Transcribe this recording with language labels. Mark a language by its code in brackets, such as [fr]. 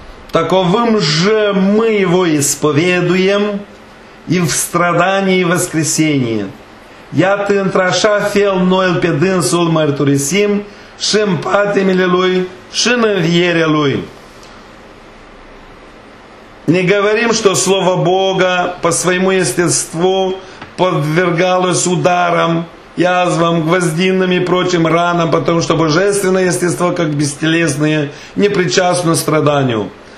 [ru] Таковым же мы его исповедуем и в страдании воскресении, [ro] Iată, într-așa fel noi pe dânsul mărturisim și în patimile Lui și în învierea Lui. [ru] Не говорим, что Слово Бога по своему естеству подвергалось ударам, язвам, гвоздинам и прочим ранам, потому что божественное естество, как бестелесное, не причастно страданию.